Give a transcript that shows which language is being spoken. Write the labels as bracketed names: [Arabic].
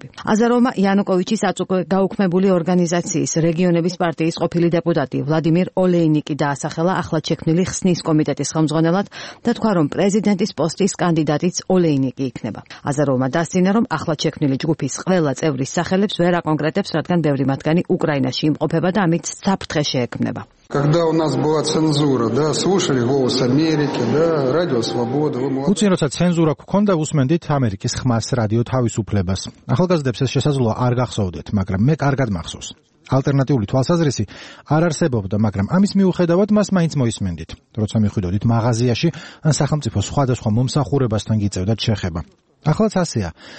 [Georgian] აზაროვმა იანუკოვიჩის აწუკვე გაუქმებული ორგანიზაციის რეგიონების პარტიის ყოფილი დეპუტატი ვლადიმირ ოლეინიკი დაასახელა ახლად შექმნილი ხსნის კომიტეტის ხელმძღვანელად და თქვა, რომ პრეზიდენტის პოსტის კანდიდატიც ოლეინიკი იქნება. აზაროვმა დასწინა, რომ ახლად შექმნილი ჯგუფის ყველა წევრის სახელებს ვერ აკონკრეტებს, რადგან ბევრი მათგანი უკრაინაში იმყოფება და ამით საფრთხე შეექმნება. [Russian] Когда у нас была цензура, да, слушали голос Америки, да, радио Свобода, вы молодцы. [Georgian] Путин, როცა цензура გქონდა, უსმენდით ამერიკის ხმას, რადიო თავისუფლებას. ახალგაზრდებს ეს შესაძლოა არ გახსოვდეთ, მაგრამ მე კარგად მახსოვს. ალტერნატიული თვალსაზრისი არ არსებობდა, მაგრამ ამის მიუხედავად მას მაინც მოისმენდით. როცა მიხვიდოდით მაღაზიაში, ან სახელმწიფო სხვადასხვა მომსახურებასთან გიწევდათ შეხება. ახლაც ასეა.